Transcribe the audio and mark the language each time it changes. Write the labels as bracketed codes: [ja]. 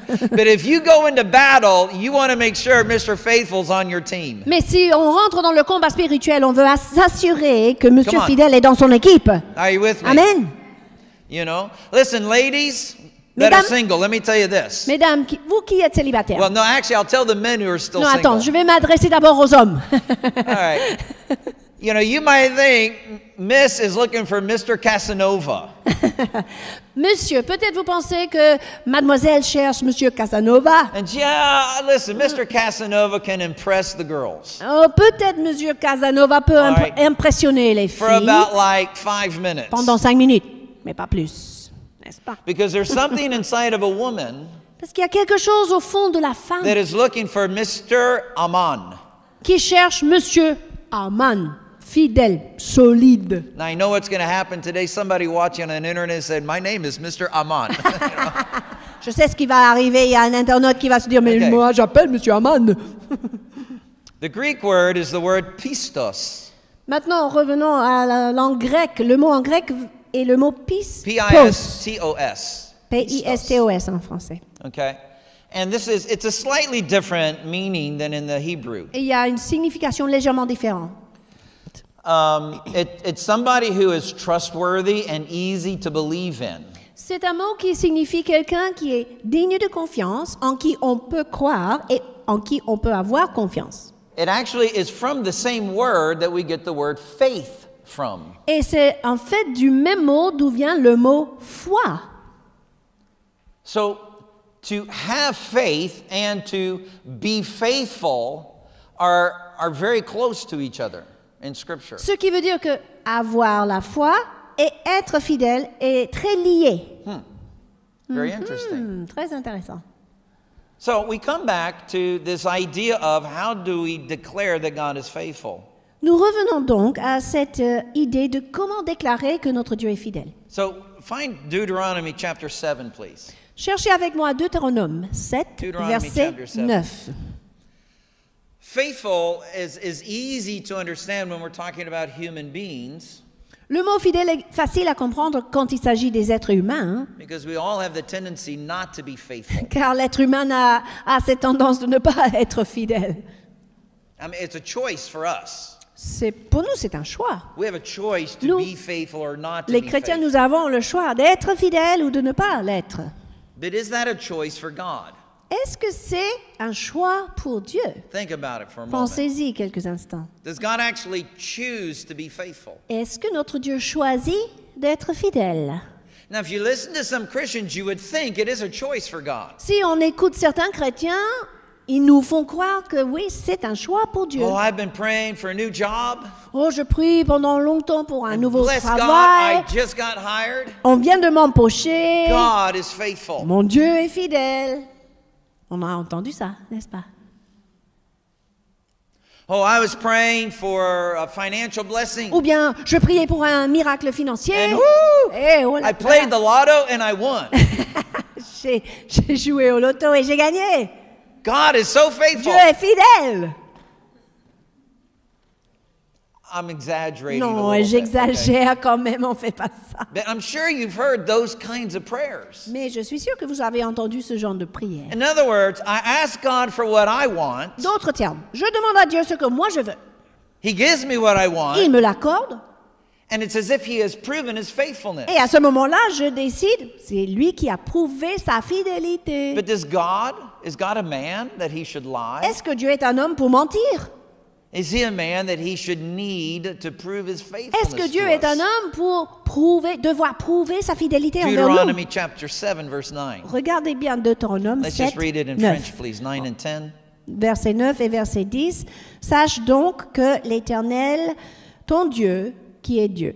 [en] But if you go into battle, you want to make sure Mr. Faithful's on your team. [fr] Mais si on rentre dans le combat spirituel, on veut s'assurer que Monsieur Fidèle est dans son équipe. [en] Are you with me? Amen. You know, listen, ladies that are single, let me tell you this. [fr] Mesdames, vous qui êtes célibataires. [en] Well, no, actually, I'll tell the men who are still single. [fr] Non, attends, je vais m'adresser d'abord aux hommes. [en] All right. You know, you might think Miss is looking for Mr. Casanova. [fr] Monsieur, peut-être vous pensez que Mademoiselle cherche Monsieur Casanova. [en] And yeah, listen, Mr. Casanova can impress the girls. [fr] Oh, peut-être Monsieur Casanova peut impressionner les filles. [en] For about like 5 minutes. [fr] Pendant 5 minutes. Mais pas plus, n'est-ce pas? [en] Because there's something inside of a woman. [fr] Parce qu'il y a quelque chose au fond de la femme. [en] That is looking for Mr. Aman. [fr] Qui cherche Monsieur Aman, fidèle, solide. [en] Now I know what's going to happen today. Somebody watching on the internet said, "My name is Mr. Aman." [fr] Je sais ce qui va arriver. Il y a un internaute qui va se dire, "Mais okay. Moi, j'appelle Monsieur Aman." [en] The Greek word is the word pistos. [fr] Maintenant, revenons à la langue grecque. Le mot en grec. Et le mot pistos. [en] P-I-S-T-O-S. [fr] P-I-S-T-O-S en français. [en] Okay. And this is, it's a slightly different meaning than in the Hebrew. [fr] Et il y a une signification légèrement différente. [en] It's somebody who is trustworthy and easy to believe in. [fr] C'est un mot qui signifie quelqu'un qui est digne de confiance, en qui on peut croire et en qui on peut avoir confiance. [en] It actually is from the same word that we get the word faith. From. [fr] Et c'est en fait du même mot d'où vient le mot foi. [en] So, to have faith and to be faithful are very close to each other in Scripture. [fr] Ce qui veut dire que avoir la foi et être fidèle est très lié. [en] Hmm. Very interesting. [fr] Mm-hmm. Très intéressant. [en] So, we come back to this idea of how do we declare that God is faithful. [fr] Nous revenons donc à cette idée de comment déclarer que notre Dieu est fidèle. [en] So, find Deuteronomy chapter 7, please. [fr] Cherchez avec moi Deutéronome 7, [en] Deuteronomy [fr] verset 9. [en] Faithful is easy to understand when we're talking about human beings. [fr] Le mot fidèle est facile à comprendre quand il s'agit des êtres humains. [en] Because we all have the tendency not to be faithful. [fr] Car l'être humain a cette tendance de ne pas être fidèle. [en] I mean, it's a choice for us. [fr] C'est, pour nous, c'est un choix. [en] We have a choice to be faithful or not to be. [fr] Les chrétiens, nous avons le choix d'être fidèles ou de ne pas l'être. [en] But is that a choice for God? [fr] Est-ce que c'est un choix pour Dieu? [en] Think about it for a moment. [fr] Pensez-y quelques instants. [en] Does God actually choose to be faithful? [fr] Est-ce que notre Dieu choisit d'être fidèle? [en] Now, if you listen to some Christians, you would think it is a choice for God. [fr] Si on écoute certains chrétiens. Ils nous font croire que oui, c'est un choix pour Dieu. [en] Oh, I've been praying for a new job. [fr] Oh, je prie pendant longtemps pour un [en] And [fr] nouveau [en] bless [fr] travail. [en] God, I just got hired. [fr] On vient de m'empocher. [en] God is faithful. [fr] Mon Dieu est fidèle. On a entendu ça, n'est-ce pas? [en] Oh, I was praying for a financial blessing. [fr] Ou bien, je priais pour un miracle financier. [en] And woo, [fr] et voilà. I played the lotto and I won. j'ai joué au loto et j'ai gagné. [en] God is so faithful. [fr] Dieu est fidèle. [en] I'm exaggerating. [fr] Non, [en] a little [fr] j'exagère [en] bit, okay? [fr] Quand même, on fait pas ça. [en] But I'm sure you've heard those kinds of prayers. [fr] Mais je suis sûr que vous avez entendu ce genre de prière. [en] In other words, I ask God for what I want. [fr] D'autres termes, je demande à Dieu ce que moi je veux. [en] He gives me what I want. [fr] Il me l'accorde. [en] And it's as if he has proven his faithfulness. [fr] Et à ce moment-là, je décide, c'est lui qui a prouvé sa fidélité. [en] But does God Is God a man that he should lie? [fr] Est-ce que Dieu est un homme pour mentir? [en] Is he a man that he should need to prove his faithfulness? [fr] Est-ce que Dieu est un homme pour prouver, devoir prouver sa fidélité envers nous? [en] Deuteronomy chapter 7 verse 9. [fr] Regardez bien Deutéronome 7. [en] Let's just read it in [fr] 9. [en] French please, 9 and 10. [fr] Verset 9 et verset 10. Sache donc que l'Éternel ton Dieu qui est Dieu.